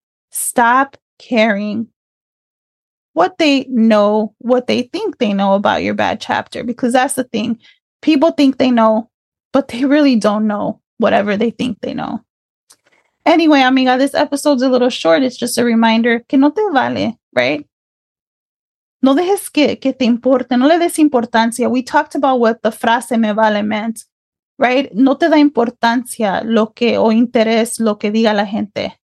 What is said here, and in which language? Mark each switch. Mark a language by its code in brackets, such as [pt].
[en] Stop caring what they know, what they think they know about your bad chapter, because that's the thing. People think they know, but they really don't know whatever they think they know. Anyway, amiga, this episode's a little short. It's just a reminder, [es] que no te vale, [en] right? [es] No dejes que te importe, no le des importancia. [en] We talked about what the frase me vale meant, right? [es] No te da importancia lo que o interés lo que diga la gente.